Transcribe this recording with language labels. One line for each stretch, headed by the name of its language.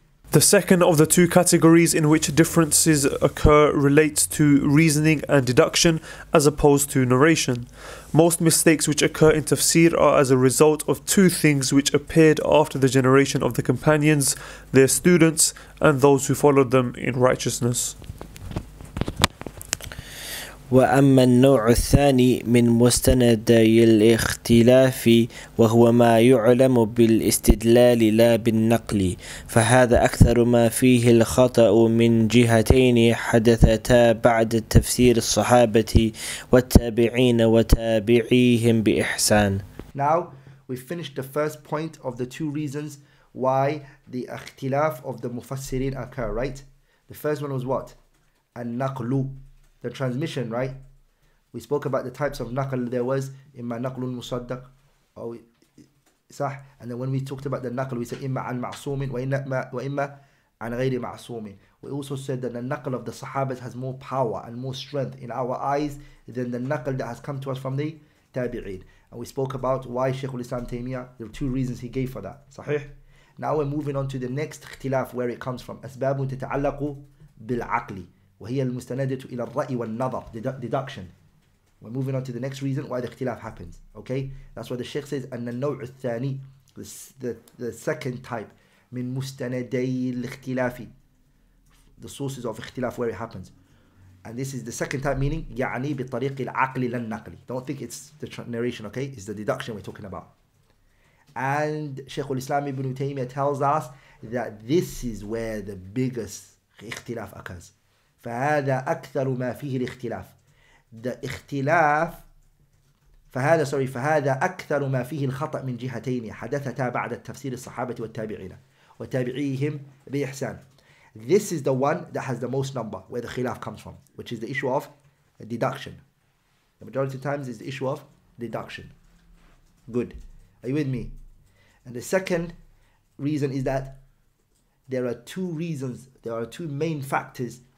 English: the second of the two categories in which differences occur relates to reasoning and deduction as opposed to narration. Most mistakes which occur in tafsir are as a result of two things which appeared after the generation of the companions, their students, and those who followed them in righteousness.
Arabic: وأما النوع الثاني من مستندي الاختلاف وهو ما يعلم بالاستدلال لا بالنقل فهذا أكثر ما فيه الخطأ من جهتين حدثتا بعد تفسير الصحابة والتابعين وتابعيهم بإحسان.
English: Now we finished the first point of the two reasons why the اختلاف of the مفسرين occur, right? The first one was what? النقل. The transmission, right? We spoke about the types of naql there was.
Arabic: Imma naqlun musaddaq.
English: Sah. And then when we talked about the naql, we said
Arabic: imma an ma'asumin wa imma an ghayri ma'asumin.
English: We also said that the naql of the sahabas has more power and more strength in our eyes than the naql that has come to us from the tabi'in. And we spoke about why Shaykh al-Islam Taymiyyah, there are two reasons he gave for that. Sahih. Now we're moving on to the next ikhtilaf where it comes from.
Arabic: Asbabu tata'allaku bil'aqli. وهي المستندة إلى الرأي والنظر deduction.
English: We're moving on to the next reason why the اختلاف happens. Okay, that's what the Sheikh says.
Arabic: أن النوع الثاني,
English: the second type,
Arabic: من مستندي الاختلاف,
English: the sources of اختلاف where it happens. And this is the second type, meaning
Arabic: يعني بطريق العقل للنقل.
English: Don't think it's the narration. Okay, it's the deduction we're talking about. And Sheikh al-Islam Ibn Taymiyyah tells us that this is where the biggest اختلاف occurs.
Arabic: فهذا أكثر ما فيه الاختلاف. The اختلاف. فهذا أكثر ما فيه الخطأ من جهتين حدثتا بعد التفسير الصحابة والتابعين وتابعيهم بإحسان.
English: This is the one that has the most number where the خلاف comes from, which is the issue of deduction. The majority of times is the issue of deduction. Good. Are you with me? And the second reason is that there are two main factors.